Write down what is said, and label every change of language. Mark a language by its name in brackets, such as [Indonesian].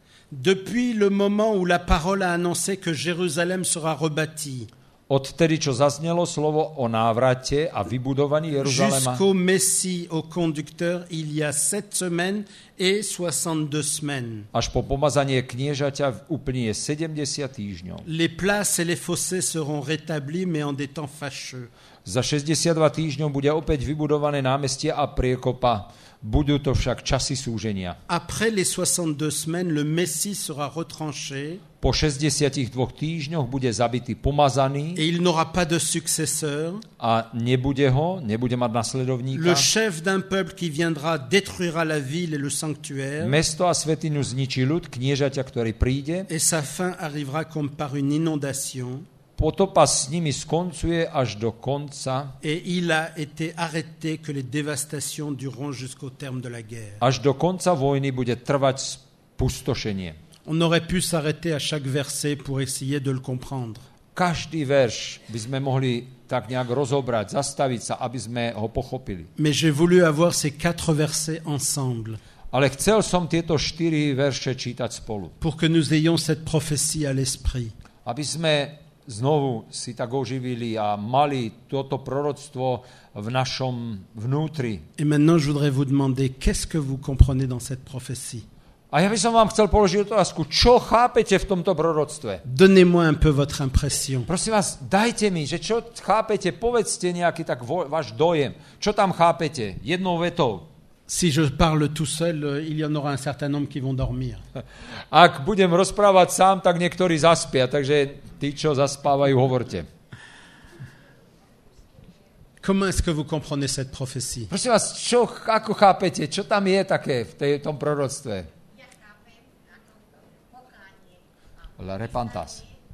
[French] Depuis le moment où la parole a annoncé que Jérusalem sera rebâtie. [Slovak] Odtedy, čo zaznelo slovo o návrate a vybudovaní Jeruzalema. [French] Jusqu'au Messie, au conducteur, il y a 7 semaines et 62 semaines. [Slovak] Až po pomazanie kniežaťa uplynie 70 týždňov. [French] Les places et les fossés seront rétablis, mais en des temps fâcheux. [Slovak] Za 62 týždňov bude opäť vybudované námestie a priekopa. Budú to však časy súženia. [French] Après les 62 semaines, le Messie sera retranché. [Slovak] Po 62 týždňoch bude zabitý, pomazaný. [French] Et il n'aura pas de successeur. [Slovak] A nebude ho, nebude mať nasledovníka. [French] Le chef d'un peuple qui viendra détruira la ville et le sanctuaire. [Slovak] Mesto a svätyňu zničí ľud, kniežaťa, ktorý príde. [French] Et sa fin arrivera comme par une inondation. [Slovak] Potopa s nimi skoncuje až do konca. [French] Et il a été arrêté que les dévastations dureront jusqu'au terme de la guerre. [Slovak] Až do konca vojny bude trvať pustošenie. [French] On aurait pu s'arrêter à chaque verset pour essayer de le comprendre. [Slovak] Každý verš by sme mohli tak nejak rozobrať, zastaviť sa, aby sme ho pochopili. [French] Mais j'ai voulu avoir ces quatre versets ensemble. [Slovak] Ale chcel som tieto štyri verše čítať spolu. [French] Pour que nous ayons cette prophétie à l'esprit. [Slovak] Aby sme znovu si tak oživili a mali toto proroctvo v našom vnútri. [French] Et maintenant je voudrais vous demander qu'est-ce que vous comprenez dans cette prophétie? [Slovak] A ja by som vám chcel položiť otázku, čo chápete v tomto proroctve? [French] Donnez-moi un peu votre impression. [Slovak] Prosím vás, dajte mi, že čo chápete, povedzte nejaký tak váš dojem. Čo tam chápete? Jednou vetou. [French] Si je parle tout seul, il y en aura un certain nombre qui vont dormir. [Slovak] Ak budem rozprávať sám, tak niektorí zaspia, takže tí, čo zaspávajú, hovorte. [French] Comment est-ce que vous comprenez cette prophétie? [Slovak] Prosím vás, čo, ako chápete, čo tam je také v tom proroctve? [French] La repentas.